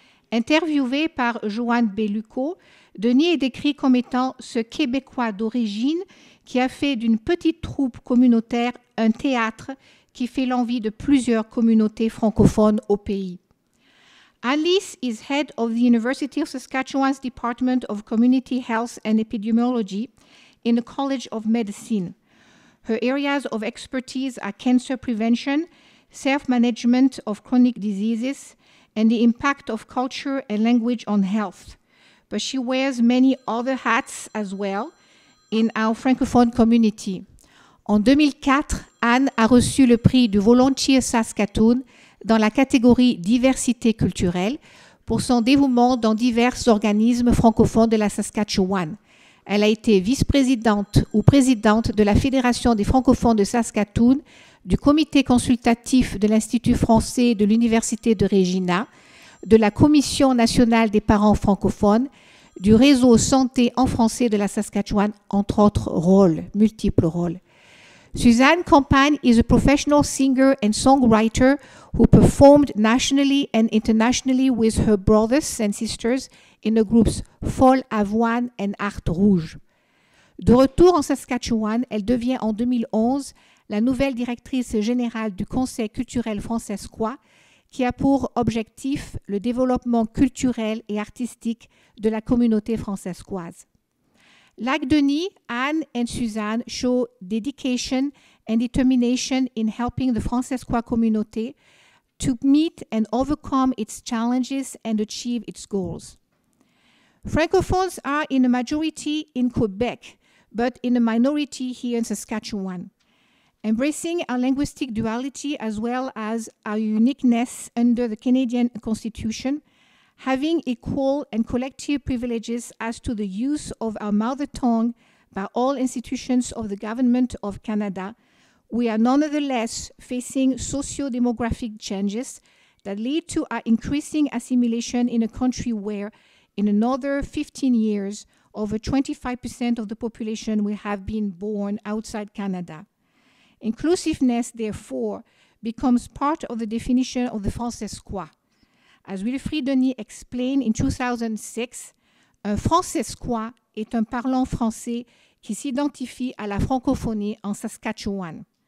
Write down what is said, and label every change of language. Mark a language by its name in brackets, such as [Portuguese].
[French] Interviewé par Joanne Bellucco, Denis est décrit comme étant ce Québécois d'origine qui a fait d'une petite troupe communautaire un théâtre qui fait l'envie de plusieurs communautés francophones au pays. [English] Leis is head of the University of Saskatchewan's Department of Community Health and Epidemiology in the College of Medicine. Her areas of expertise are cancer prevention, self-management of chronic diseases, and the impact of culture and language on health. But she wears many other hats as well in our Francophone community. [French] En 2004, Anne a reçu le prix du Volunteer Saskatoon dans la catégorie diversité culturelle pour son dévouement dans divers organismes francophones de la Saskatchewan. Elle a été vice-présidente ou présidente de la Fédération des francophones de Saskatoon, du comité consultatif de l'Institut français de l'Université de Regina, de la Commission nationale des parents francophones, du réseau santé en français de la Saskatchewan, entre autres rôles, multiples rôles. [English] Suzanne Campagne is a professional singer and songwriter who performed nationally and internationally with her brothers and sisters in the groups Folle Avoine and Art Rouge. [French] De retour en Saskatchewan, elle devient en 2011 la nouvelle directrice générale du Conseil culturel fransaskois, qui a pour objectif le développement culturel et artistique de la communauté fransaskoise. [English] Like Denis, Anne and Suzanne show dedication and determination in helping the fransaskois community to meet and overcome its challenges and achieve its goals. Francophones are in a majority in Quebec, but in a minority here in Saskatchewan. Embracing our linguistic duality as well as our uniqueness under the Canadian Constitution, having equal and collective privileges as to the use of our mother tongue by all institutions of the Government of Canada, we are nonetheless facing socio-demographic changes that lead to our increasing assimilation in a country where, in another 15 years, over 25% of the population will have been born outside Canada. Inclusiveness, therefore, becomes part of the definition of the fransaskois. As Wilfried Denis explained in 2006, [French] un fransaskois est un parlant français qui s'identifie à la francophonie en Saskatchewan.